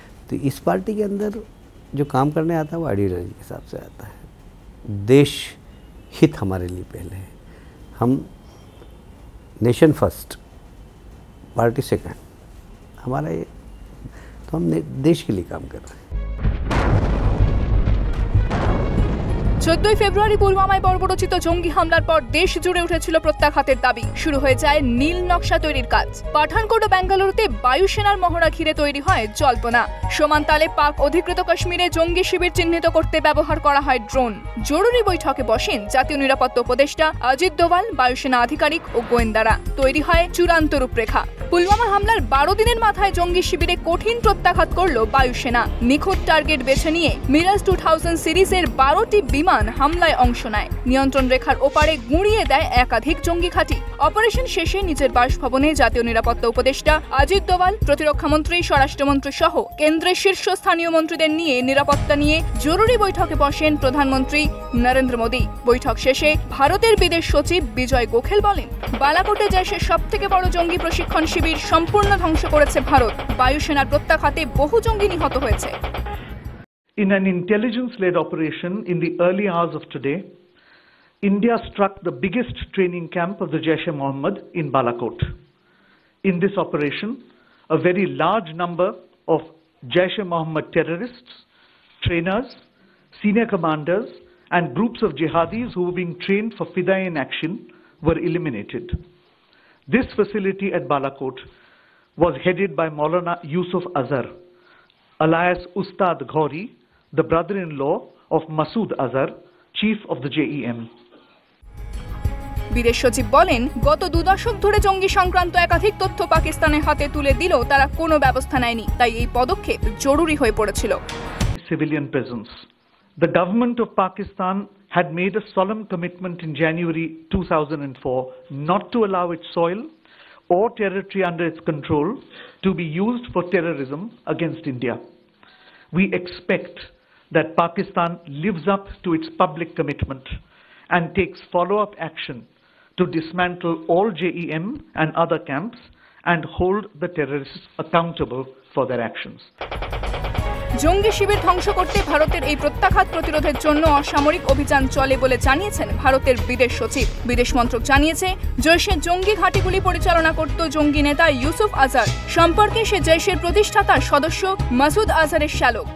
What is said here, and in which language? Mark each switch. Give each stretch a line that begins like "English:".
Hindi: तो इस पार्टी के अंदर जो काम करने आता है वो आइडियोलॉजी के हिसाब से आता है। देश हित हमारे लिए पहले है, हम
English: nation first party second,
Hindi: हमारा ये तो हम देश के लिए काम कर रहे हैं।
Bangla: 14 ফেব্রুয়ারি পুলওয়ামায় বর্বরোচিত জঙ্গি হামলার পর দেশ জুড়ে উঠেছিল প্রত্যাঘাতের দাবি। শুরু হয়ে যায় নীল নকশা তৈরির কাজ। পাঠানকোট ও বেঙ্গালুরুতে বায়ুসেনার মহড়া ঘিরে তৈরি হয় জল্পনা। সমান্তালে পাক অধিকৃত কাশ্মীরে জঙ্গি শিবির চিহ্নিত করতে ব্যবহার করা হয় ড্রোন। জরুরি বৈঠকে বসেন জাতীয় নিরাপত্তা উপদেষ্টা অজিত দোভাল, বায়ুসেনা আধিকারিক ও গোয়েন্দারা। তৈরি হয় চূড়ান্ত রূপরেখা। পুলওয়ামা হামলার 12 দিনের মাথায় জঙ্গি শিবিরে কঠিন প্রত্যাঘাত করল বায়ুসেনা। নিখুঁত টার্গেট বেছে নিয়ে মিরাজ 2000 সিরিজের 12টি বিমান হামলায় অংশ নেয়। নিয়ন্ত্রণ রেখার ওপারে গুঁড়িয়ে দেয় একাধিক জঙ্গি ঘাঁটি। অপারেশন শেষে নিজের বাসভবনে জাতীয় নিরাপত্তা উপদেষ্টা অজিত দোভাল, প্রতিরক্ষামন্ত্রী, স্বরাষ্ট্রমন্ত্রী সহ কেন্দ্রের শীর্ষ স্থানীয় মন্ত্রীদের নিয়ে নিরাপত্তা নিয়ে জরুরি বৈঠকে বসেন প্রধানমন্ত্রী নরেন্দ্র মোদী। বৈঠক শেষে ভারতের বিদেশ সচিব বিজয় গোখেল বলেন, বালাকোটে দেশের সব থেকে বড় জঙ্গি প্রশিক্ষণ শিবির সম্পূর্ণ ধ্বংস করেছে ভারত। বায়ুসেনার প্রত্যাঘাতে বহু জঙ্গি নিহত হয়েছে।
English: In an intelligence-led operation in the early hours of today, India struck the biggest training camp of the Jaish-e-Mohammed in Balakot. In this operation, a very large number of Jaish-e-Mohammed terrorists, trainers, senior commanders, and groups of jihadis who were being trained for Fidayeen action were eliminated. This facility at Balakot was headed by Maulana Yusuf Azhar, alias Ustad Ghori, the brother-in-law of Masood Azhar, chief of the JEM.
Bangla: বিদেশ সচিব বলেন, গত দু দশক ধরে জঙ্গি সংক্রান্ত একাধিক তথ্য পাকিস্তানের হাতে তুলে দিলেও তারা কোনো ব্যবস্থা নেয়নি, তাই এই পদক্ষেপ জরুরি হয়ে পড়েছিল।
English: Civilian presence. The government of Pakistan had made a solemn commitment in January 2004 not to allow its soil or territory under its control to be used for terrorism against India. We expect that Pakistan lives up to its public commitment and takes follow-up action to dismantle all JEM and other camps and hold the terrorists accountable for their actions.
Bangla: জঙ্গি শিবির ধ্বংস করতে ভারতের এই প্রত্যাঘাত প্রতিরোধের জন্য অসামরিক অভিযান চলে বলে জানিয়েছেন ভারতের বিদেশ সচিব। বিদেশ মন্ত্রক জানিয়েছে, জৈশের জঙ্গি ঘাঁটিগুলি পরিচালনা করত জঙ্গি নেতা ইউসুফ আজহার সম্পর্কে সে জৈশের প্রতিষ্ঠাতা সদস্য মাসুদ আজহারের শ্যালক।